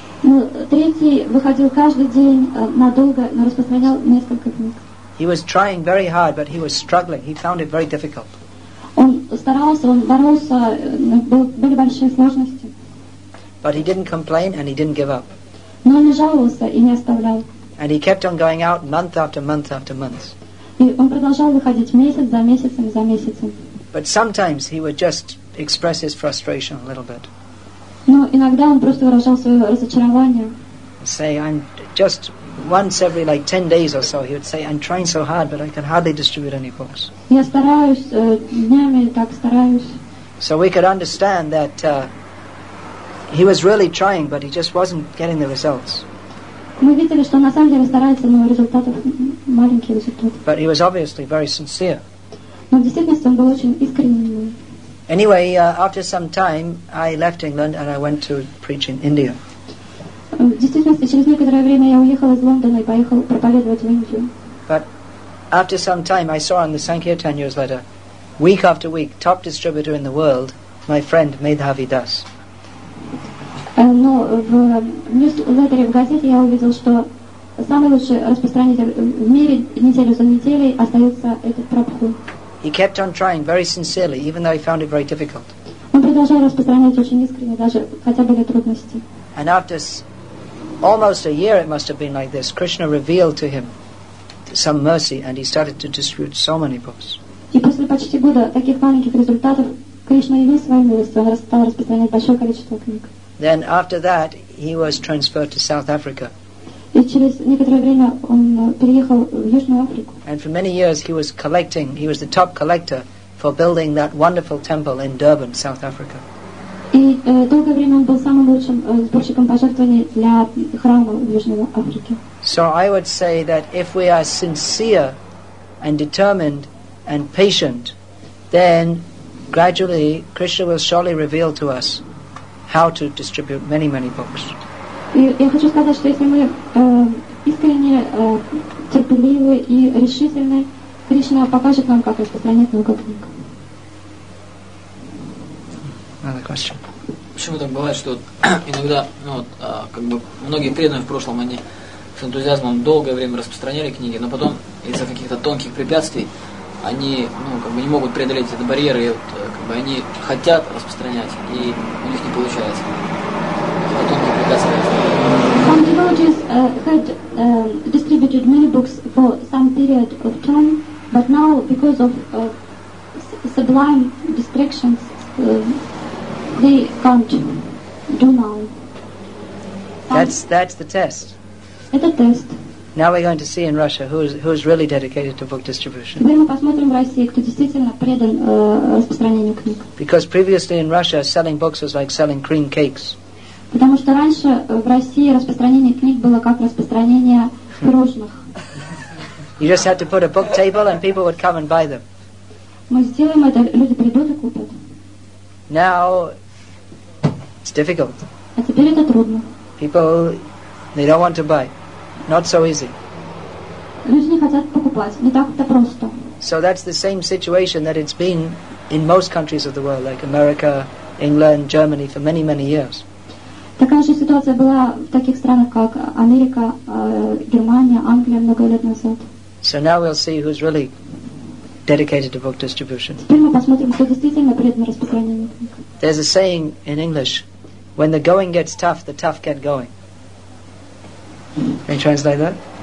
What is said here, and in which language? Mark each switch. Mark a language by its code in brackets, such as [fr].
[en] He was trying very hard, but he was struggling. He found it very difficult. But he didn't complain and he didn't give up. [ru] Но он не жаловался и не оставлял. [en] And he kept on going out month after month after month. [ru] И он продолжал выходить месяц за месяцем за месяцем. [en] But sometimes he would just express his frustration a little bit. [ru] Но иногда он просто выражал свое разочарование. [en] Say, I'm just once every like 10 days or so, he would say, I'm trying so hard, but I can hardly distribute any books. [ru] Я стараюсь, днями так стараюсь. [en] So we could understand that he was really trying, but he just wasn't getting the results. [ru] Мы видели, что на самом деле старается, но результатов маленькие результаты. [en] But he was obviously very sincere. [ru] Но в действительности он был очень искренним. [en] Anyway, after some time, I left England and I went to preach in India. [ru] В действительности через некоторое время я уехал из Лондона и поехал проповедовать в Индию. [en] But after some time, I saw on the Sankirtan newsletter, week after week, top distributor in the world, my friend Medhavi Das. [ru] Но в newsletter в газете я увидел, что самый лучший распространитель в мире неделю за неделей остается этот Прабху. [en] He kept on trying very sincerely, even though he found it very difficult. [ru] Он продолжал распространять очень искренне, даже хотя были трудности. [en] And after almost a year, it must have been like this. Krishna revealed to him some mercy, and he started to distribute so many books. [ru] И после почти года таких маленьких результатов Кришна явил свою милость, он стал распространять большое количество книг. [en] Then after that, he was transferred to South Africa. [ru] И через некоторое время он переехал в Южную Африку. [en] And for many years he was collecting. He was the top collector for building that wonderful temple in Durban, South Africa. [ru] И долгое время он был самым лучшим сборщиком пожертвований для храма в Южной Африке. [en] So I would say that if we are sincere and determined and patient, then gradually Krishna will surely reveal to us how to distribute many, many books. [ru] И я хочу сказать, что если мы искренне терпеливы и решительны, Кришна покажет нам, как распространять много книг. [en] Another question. [ru] Почему так бывает, что вот иногда, ну вот, как бы многие преданные в прошлом, они с энтузиазмом долгое время распространяли книги, но потом из-за каких-то тонких препятствий они, ну, как бы не могут преодолеть этот барьер, и вот, как бы они хотят распространять, и у них не получается. Это тонкие препятствия. [en] Some devotees had distributed many books for some period of time, but now because of sublime distractions, they can't do now. That's the test. [ru] Это тест. [en] Now we're going to see in Russia who's really dedicated to book distribution. [ru] Теперь мы посмотрим в России, кто действительно предан распространению книг. [en] Because previously in Russia, selling books was like selling cream cakes. [ru] Потому что раньше в России распространение книг было как распространение пирожных. [en] You just had to put a book table and people would come and buy them. [ru] Мы сделаем это, люди придут и купят. [en] Now it's difficult. [ru] А теперь это трудно. [en] People, they don't want to buy. Not so easy. [ru] Люди не хотят покупать, не так-то просто. [en] So that's the same situation that it's been in most countries of the world, like America, England, Germany, for many, many years. [ru] Такая же ситуация была в таких странах, как Америка, Германия, Англия много лет назад. [en] So now we'll see who's really dedicated to book distribution. [ru] Теперь мы посмотрим, кто действительно предан распространению книг. [en] There's a saying in English, when the going gets tough, the tough get going. Can you translate that?